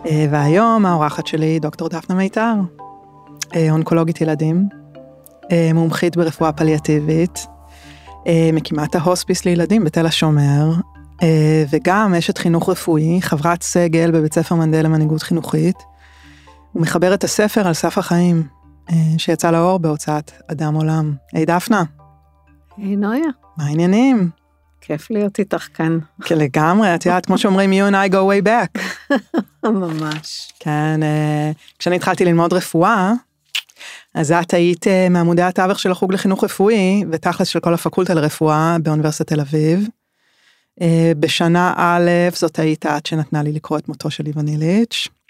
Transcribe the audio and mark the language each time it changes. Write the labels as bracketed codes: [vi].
[he] והיום האורחת שלי, דוקטור דפנה מיתר, אונקולוגית ילדים, מומחית ברפואה פליאטיבית, מקימת ההוספיס לילדים בתל השומר, וגם אשת חינוך רפואי, חברת סגל בבית ספר מנדל למנהיגות חינוכית, ומחברת הספר על סף החיים, שיצא לאור בהוצאת אדם עולם. היי דפנה. היי נויה. מה העניינים? כיף להיות איתך כאן. לגמרי, את יודעת, כמו שאומרים, [en] you and I go way back. [he] ממש. כן, כשאני התחלתי ללמוד רפואה, אז את היית מעמודי התווך של החוג לחינוך רפואי, ותכלס של כל הפקולטה לרפואה באוניברסיטת תל אביב. בשנה א', זאת היית את שנתנה לי לקרוא את מותו של איוון איליץ'.